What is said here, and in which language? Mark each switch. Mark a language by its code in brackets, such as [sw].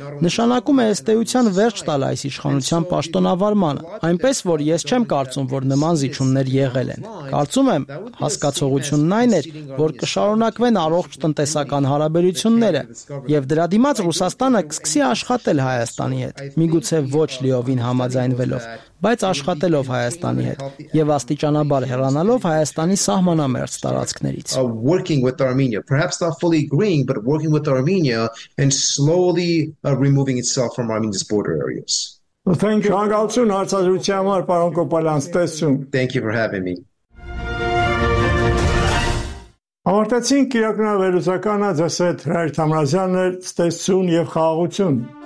[hy] նշանակում է էստեյության վերջ տալ այս իշխանության պաշտոնավարմանը, այնպես որ ես չեմ կարծում, որ նման զիջումներ եղել են։ Կարծում եմ, հասկացողությունն այն էր, որ կշարունակվեն առողջ տնտեսական հարաբերությունները, եւ դրա դիմաց Ռուսաստանը կսկսի աշխատել Հայաստանի հետ, միգուցե ոչ լիովին համաձայնվելով, բայց աշխատելով Հայաստանի հետ եւ աստիճանաբար հեռանալով Հայաստանի սահմանամերձ տարածքներից։ [en] Working with Armenia, perhaps not fully agreeing, but working with Armenia and slowly removing itself from Armenia's border areas. Thank you. [hy] Շնորհակալություն հարցազրույցի համար, պարոն Կոպալյան, ցտեսություն։ [en] Thank you for having me. [hy] Ավարտեցինք իրաքնավերուսականը ձեզ հետ Հրայր Թամրազյանն էր, ցտեսություն և խաղաղություն։